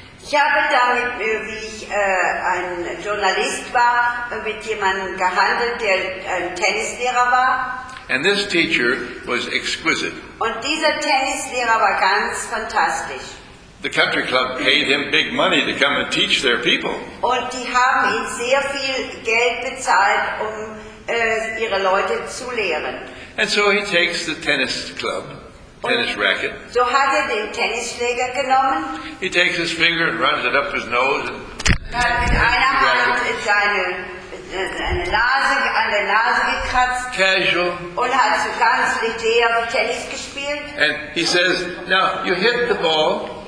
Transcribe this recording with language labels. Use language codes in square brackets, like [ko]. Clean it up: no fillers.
[de] Ich habe damit, wie ich ein Journalist war, mit jemandem gehandelt, der ein Tennislehrer war. [en] And this teacher was exquisite. [de] Und dieser Tennislehrer war ganz fantastisch. [en] The country club paid him big money to come and teach their people. [de] Und die haben ihn sehr viel Geld bezahlt, um ihre Leute zu lehren. [en] And so he takes the tennis club, tennis racket. [de] So hat den Tennisschläger genommen. [en] He takes his finger and runs it up his nose. And [de] mit einer Hand seine Nase an der Nase gekratzt. [en] Casual. [de] Und hat so ganz leger Tennis gespielt. [en] And he says, now you hit the ball.